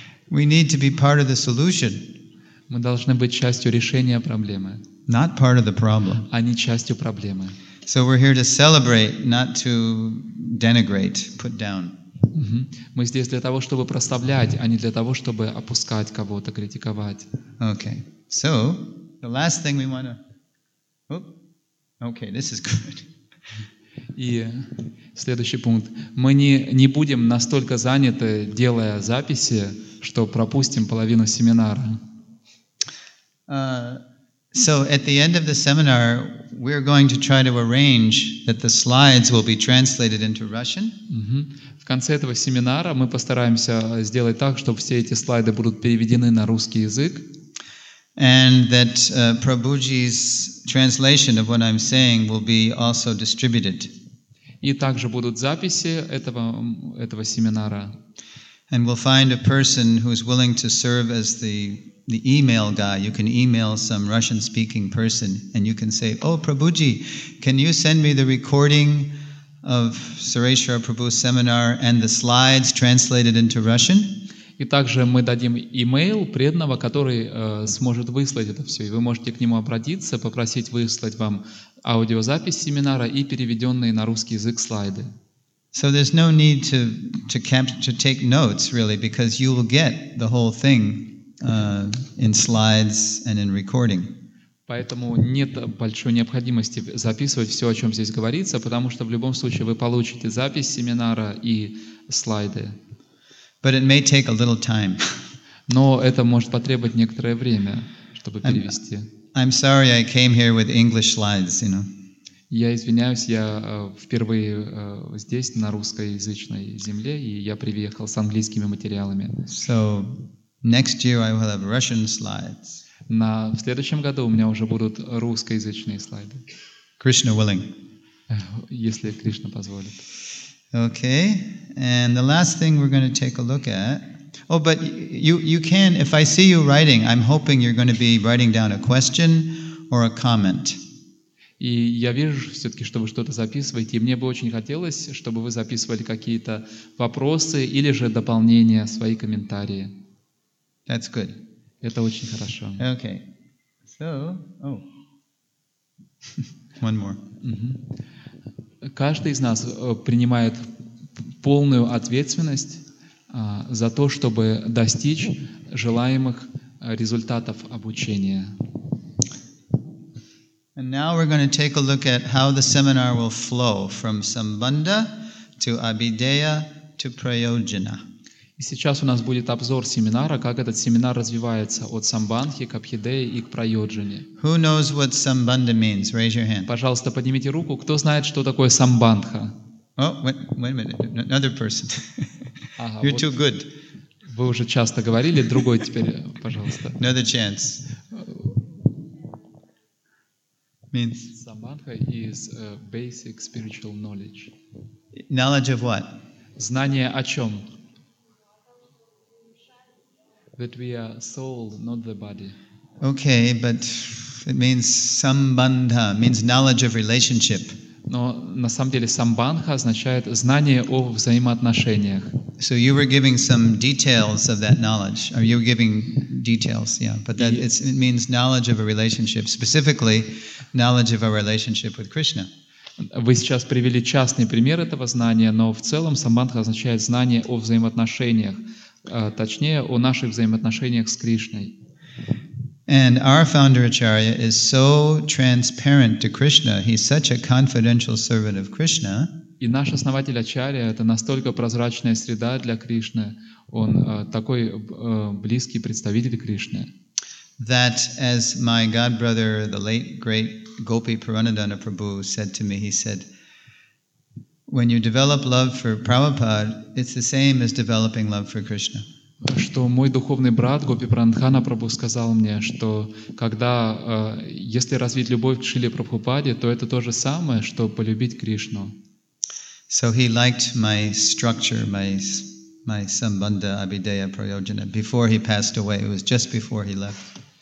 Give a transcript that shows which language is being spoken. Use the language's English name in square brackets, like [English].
[English] We need to be part of the solution. [Russian] Мы должны быть частью решения проблемы. [English] Not part of the problem. [Russian] А не частью проблемы. [English] So we're here to celebrate, not to denigrate, put down. [Russian] Мы здесь для того, чтобы прославлять, а не для того, чтобы опускать кого-то, критиковать. [English] Okay. So the last thing we want to. Oh. Okay. This is good. [Russian] И следующий пункт. Мы не будем настолько заняты, делая записи, что пропустим половину семинара. [English] So at the end of the seminar, we're going to try to arrange that the slides will be translated into Russian. [Russian] В конце этого семинара мы постараемся сделать так, чтобы все эти слайды будут переведены на русский язык. [English] And that Prabhuji's translation of what I'm saying will be also distributed. [Russian] И также будут записи этого семинара. [English] And we'll find a person who is willing to serve as the email guy. You can email some Russian-speaking person and you can say, "Oh, Prabhuji, can you send me the recording of Sureshwara Prabhu's seminar and the slides translated into Russian?" [Russian] И также мы дадим имейл преданного, который сможет выслать это все. И вы можете к нему обратиться, попросить выслать вам аудиозапись семинара и переведенные на русский язык слайды. [English] So there's no need to take notes, really, because you will get the whole thing in slides and in recording. [Russian] Поэтому нет большой необходимости записывать все, о чем здесь говорится, потому что в любом случае вы получите запись семинара и слайды. [English] But it may take a little time. [Russian] Но это может потребовать некоторое время, чтобы перевести. [English] I'm sorry I came here with English slides, you know. [Russian] Я извиняюсь, я впервые здесь, на русскоязычной земле, и я приехал с английскими материалами. [English] So, next year I will have Russian slides. [Russian] На в следующем году у меня уже будут русскоязычные слайды. [English] Krishna willing. [Russian] Если Кришна позволит. [English] Okay. And the last thing we're going to take a look at. Oh, but you can, if I see you writing, I'm hoping you're going to be writing down a question or a comment. [Russian] И я вижу все-таки, что вы что-то записываете, и мне бы очень хотелось, чтобы вы записывали какие-то вопросы или же дополнения, свои комментарии. [English] That's good. [Russian] Это очень хорошо. [English] Okay. So, oh. One more. [Russian] Каждый из нас принимает полную ответственность за то, чтобы достичь желаемых результатов обучения. [English] And now we're going to take a look at how the seminar will flow from Sambandha to Abhideya to Prayojana. [Russian] И сейчас у нас будет обзор семинара, как этот семинар развивается от Самбандхи к Абхидее и к Прайоджане. [English] Who knows what Sambandha means? Raise your hand. [Russian] Пожалуйста, поднимите руку. Кто знает, что такое Самбандха? [English] Oh, wait a minute. Another person. You're too good. [Russian] Вы уже часто говорили, другой теперь, пожалуйста. [English] Another chance. Means Samadhi is basic spiritual knowledge. Knowledge of what? [Russian] Знание о чем? [English] That we are soul, not the body. Okay, but it means sambandha, means knowledge of relationship. [Russian] Но на самом деле самбандха означает знание о взаимоотношениях. [English] So you were giving some details of that knowledge. Are you giving details? Yeah, but that it means knowledge of a relationship, specifically knowledge of a relationship with Krishna. [Russian] Вы сейчас привели частный пример этого знания, но в целом самбандха означает знание о взаимоотношениях, точнее о наших взаимоотношениях с Кришной. [English] And our founder Acharya is so transparent to Krishna. He's such a confidential servant of Krishna. [Russian] И наш основатель Ачарья — это настолько прозрачная среда для Кришны, он такой близкий представитель Кришны. [English] That as my godbrother, the late great Gopi Puranadana Prabhu said to me, he said, when you develop love for Prabhupada, it's the same as developing love for Krishna. [Russian] Что мой духовный брат Гопи Прандхана Прабху сказал мне, что когда, если развить любовь к Шриле Прабхупаде, то это то же самое, что полюбить Кришну. [English] So he liked my structure, my Sambandha, Abhideya, Prayojana, before he passed away. It was just before he left.